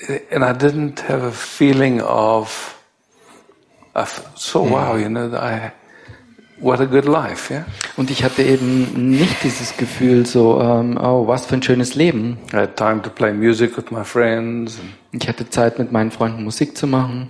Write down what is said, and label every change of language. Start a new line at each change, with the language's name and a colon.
English: And I didn't have a feeling of, wow, you know, what a good life, yeah.
German: Und ich hatte eben nicht dieses Gefühl, so, was für ein schönes Leben.
English: I had time to play music with my friends.
German: Ich hatte Zeit mit meinen Freunden Musik zu machen.